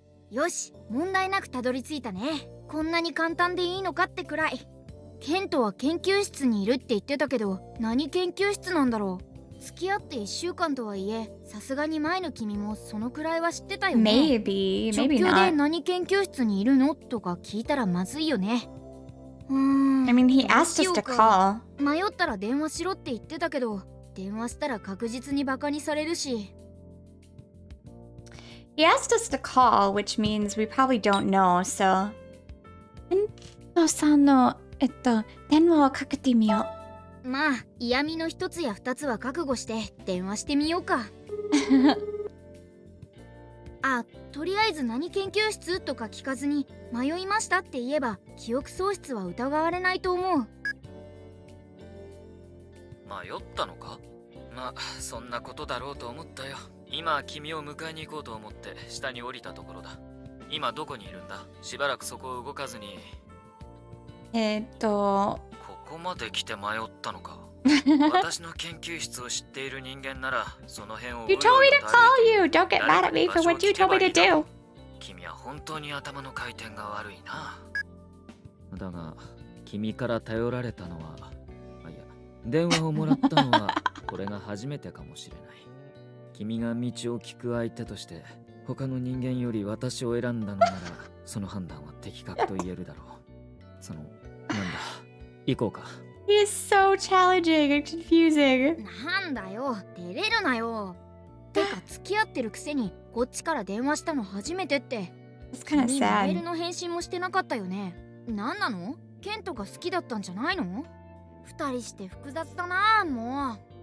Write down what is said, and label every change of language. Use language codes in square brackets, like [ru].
[ja] よし、問題なくたどり着いたね。こんなに簡単でいいのかってくらい。ケントは研究室にいるって言ってたけど、何研究室なんだろう。付き合って1週間とはいえ、さすがに前の君もそのくらいは知ってたよね。 [en] Maybe, maybe not. [ja] 直球で何研究室にいるのとか聞いたらまずいよね。 [en] I mean, he asked us to call. [ja] 迷ったら電話しろって言ってたけど、電話したら確実にバカにされるし。 [en] He asked us to call, which means we probably don't know, so... [ja] ケントさんの、電話をかけてみよう。まあ、嫌味の一つや二つは覚悟して電話してみようか。あ、とりあえず何研究室とか聞かずに迷いましたって言えば記憶喪失は疑われないと思う。迷ったのか？まあ、そんなことだろうと思ったよ。今、君を迎えに行こうと思って下に降りたところだ。今どこにいるんだ？しばらくそこを動かずに。ここまで来て迷ったのか。私の研究室を知っている人間なら、その辺を。 [en] You told me to call you. Don't get mad at me for what you told me to do. [ja] 君は本当に頭の回転が悪いな。だが、君から頼られたのは、いや、電話をもらったのはこれが初めてかもしれない。君が道を聞く相手として、他の人間より私を選んだのなら、その判断は的確と言えるだろう。その、なんだ。行こうか。 [en] He is so challenging and confusing. [ja] なんだよ、照れるなよ。てか付き合ってるくせにこっちから電話したの初めてって。 [en] It's kind of sad. [ja] メールの返信もしてなかったよね。なんなの？ケントが好きだったんじゃないの？二人して複雑だな、もう。